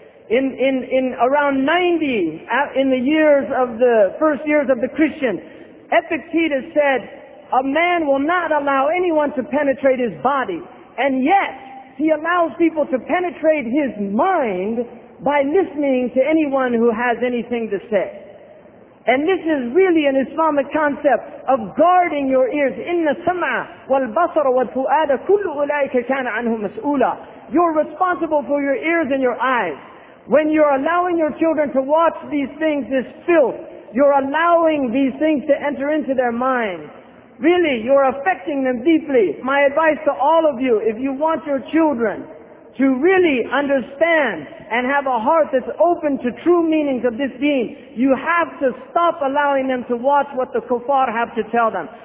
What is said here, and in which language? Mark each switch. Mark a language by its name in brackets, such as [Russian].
[English] In around 90, in the years of the first years of the Christian, Epictetus said, a man will not allow anyone to penetrate his body. And yet, he allows people to penetrate his mind by listening to anyone who has anything to say. And this is really an Islamic concept of guarding your ears. [Arabic] إِنَّ السَّمْعَ وَالْبَصَرَ وَالْفُؤَادَ كُلُّ أُولَٰئِكَ كَانَ عَنْهُ مَسْئُولًا. [English] You're responsible for your ears and your eyes. When you're allowing your children to watch these things, this filth, you're allowing these things to enter into their minds. Really, you're affecting them deeply. My advice to all of you, if you want your children to really understand and have a heart that's open to true meanings of this deen, you have to stop allowing them to watch what the kuffar have to tell them.